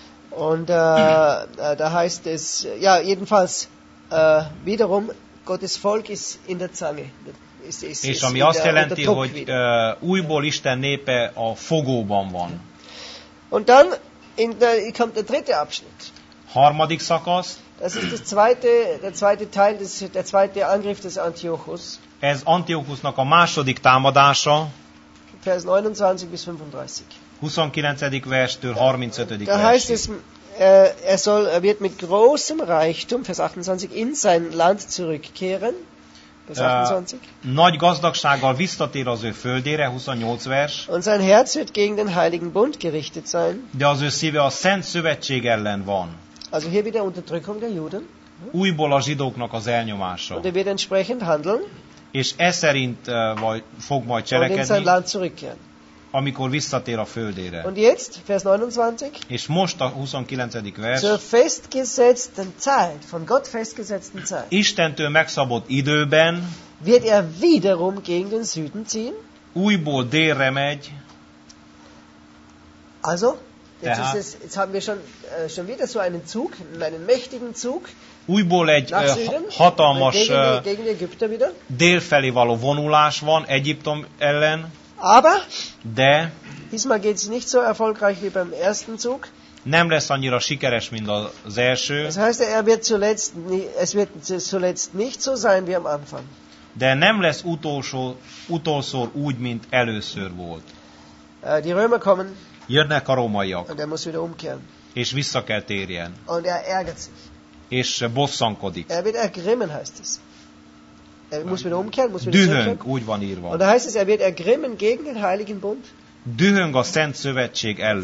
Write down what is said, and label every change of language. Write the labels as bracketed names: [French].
[German] Und da heißt es, ja, jedenfalls wiederum Gottes Volk ist in der Zange. [Hungarian] És ami azt jelenti, hogy újból Isten népe a fogóban van. [German] Und dann kommt der dritte Abschnitt. [Hungarian] harmadik szakasz. [German] Das ist der zweite Teil des der zweite Angriff des Antiochus. [Hungarian] Ez Antiochusnak a második támadása. [German] Vers 29 bis 35. [Hungarian] 29. verstől 35. [German] Da heißt es, er wird mit großem Reichtum, Vers 28, in sein Land zurückkehren. [Hungarian] Nagy gazdagsággal visszatér az ő földére, 28 vers. [German] Und sein Herz wird gegen den Heiligen Bund gerichtet sein. [Hungarian] De az ő szíve a Szent Szövetség ellen van. [German] Also hier wieder Unterdrückung der Juden. [Hungarian] Újból a zsidóknak az elnyomása. [German] Und er wird entsprechend handeln. [Hungarian] És e szerint fog majd cselekedni. [German] Und in sein Land zurückkehren. [Hungarian] Amikor visszatér a földére. [German] Und jetzt, Vers 29. [Hungarian] És most a 29. vers. [German] Zur festgesetzten Zeit, von Gott festgesetzten Zeit. [Hungarian] Istentől megszabott időben. [German] Wird wiederum gegen den Süden ziehen. [Hungarian] Újból délre megy. [German] Also, jetzt haben wir schon wieder so einen Zug, einen mächtigen Zug. [Hungarian] Újból egy hatalmas délfelé való vonulás van Egyiptom ellen. [German] Aber [Hungarian] de [German] diesmal geht es nicht so erfolgreich wie beim ersten Zug. [Hungarian] Nem lesz annyira sikeres, mint az első. [German] Das heißt, es wird zuletzt nicht so sein wie am Anfang. [Hungarian] De nem lesz utolszor úgy, mint először volt. [German] Die Römer kommen. [Hungarian] Jönnek a rómaiak. [German] Und er muss wieder umkehren. [Hungarian] És vissza kell térjen. [German] Und er ärgert sich. [Hungarian] És bosszankodik. [German] Er wird ergrimmen, heißt es. Muss wieder umkehren, muss wieder [Hungarian] dühöng, úgy van írva. [German] Und da heißt es, wird ergrimmen gegen den Heiligen Bund. [Hungarian] Dühöng a Szent Szövetség ellen.